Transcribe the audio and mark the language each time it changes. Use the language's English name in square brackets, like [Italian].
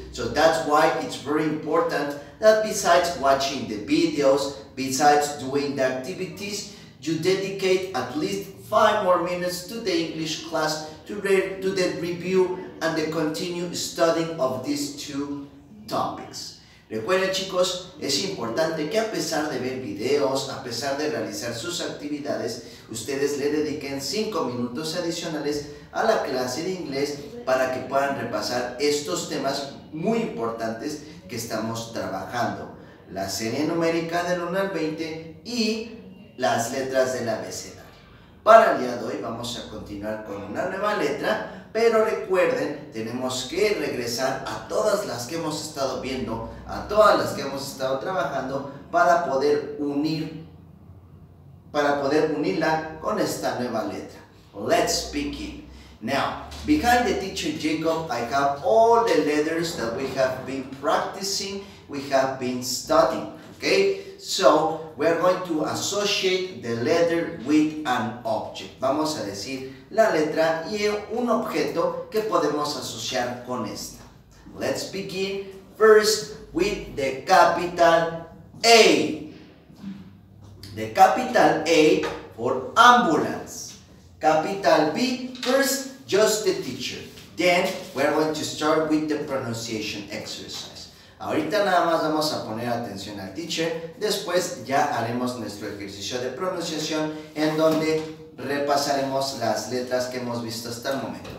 [English] So that's why it's very important that besides watching the videos, besides doing the activities, you dedicate at least 5 more minutes to the English class to do the review and the continued studying of these two topics. [Spanish] Recuerden, chicos, es importante que a pesar de ver videos, a pesar de realizar sus actividades, ustedes le dediquen 5 minutos adicionales a la clase de inglés para que puedan repasar estos temas muy importantes que estamos trabajando. La serie numérica del 1 al 20 y las letras del abecedario. Para el día de hoy vamos a continuar con una nueva letra, pero recuerden, tenemos que regresar a todas las que hemos estado viendo, a todas las que hemos estado trabajando para poder unirla con esta nueva letra. [English] Let's begin. Now, behind the teacher Jacob, I have all the letters that we have been practicing, we have been studying, okay? So, we're going to associate the letter with an object. [Spanish] Vamos a decir la letra y un objeto que podemos asociar con esta. [English] Let's begin first with the capital A. The capital A for ambulance. Capital B, first just the teacher. Then, we're going to start with the pronunciation exercise. [Spanish] Ahorita nada más vamos a poner atención al teacher, después ya haremos nuestro ejercicio de pronunciación en donde repasaremos las letras que hemos visto hasta el momento.